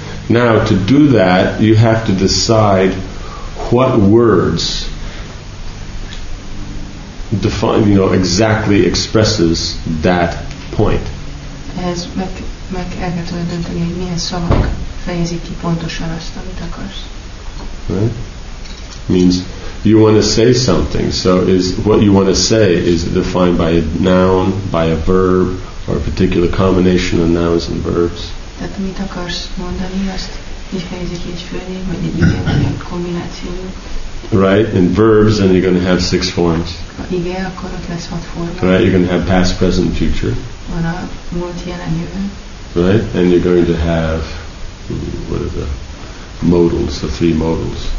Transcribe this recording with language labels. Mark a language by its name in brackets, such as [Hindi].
[English] Now, to do that, you have to decide what words define, you know, exactly expresses that point. [Hungarian] Ez meg el kell tudod dönteni, hogy milyen szavak fejezik ki pontosan azt, amit akarsz. [English] Right? Means you want to say something. So is what you want to say, is it defined by a noun, by a verb, or a particular combination of nouns and verbs? [Hungarian] Tehát mit akarsz mondani, azt így fejezik egy főnév, vagy egy igen, vagy egy kombináció. [English] Right, in verbs, then you're going to have six forms. [Hungarian] Igen, akkor ott lesz hat forma. [English] Right, you're going to have past, present, future. [Hungarian] Van a múlt, jelen, jövő. [English] Right, and you're going to have, what are the modals, the three modals.